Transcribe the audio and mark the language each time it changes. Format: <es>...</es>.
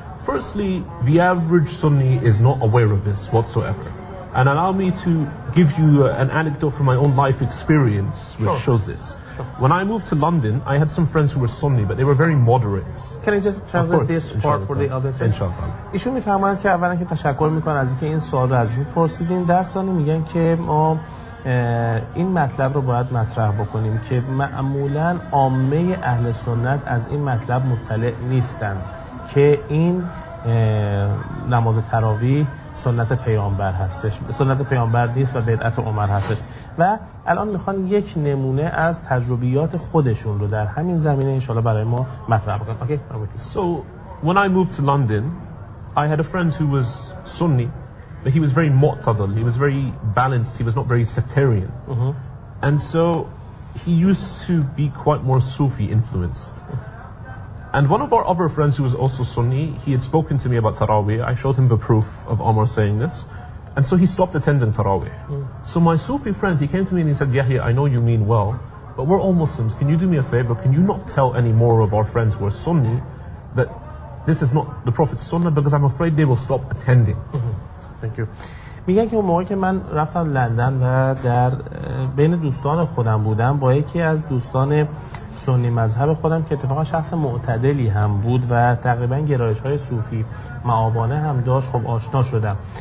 <en>Firstly, the average Sunni is not aware of this whatsoever. And allow me to give you an anecdote from my own life experience which shows this. When I moved to London, I had some friends who were Sunni, but they were very moderate. Can I just translate this part for the other side? Inshallah.</en> <fa>ایشون میفهمند که اولا که تشکر میکنن از اینکه این سوال رو ازشون پرسیدین. در ثانی میگن که ما این مطلب رو باید مطرح بکنیم که معمولا عامه اهل سنت از این مطلب مطلع نیستن که این نماز تراویح سنت پیامبر هستش، سنت پیامبر نیست و بدعت عمر هستش، و الان میخوان یک نمونه از تجربیات خودشون رو در همین زمینه ان شاء الله برای ما مطرح بکنن. اوکی.</fa> <en>So when I moved to London, I had a friend who was Sunni, but he was very mu'tadil, he was very balanced, he was not very sectarian. And so he used to be quite more Sufi influenced. And one of our other friends who was also Sunni, he had spoken to me about Taraweeh. I showed him the proof of Omar saying this. And so he stopped attending Taraweeh. So my Sufi friend, he came to me and he said, Yahya, I know you mean well, but we're all Muslims. Can you do me a favor? Can you not tell any more of our friends who are Sunni that this is not the Prophet's Sunnah, because I'm afraid they will stop attending. Thank you.</en> <fa>میگن که اون موقعی که من رفتم لندن و در بین دوستان خودم بودم با یکی از دوستان سنی مذهب خودم که اتفاقا شخص معتدلی هم بود و تقریبا گرایش های صوفی معابانه هم داشت، خب آشنا شدم.</fa>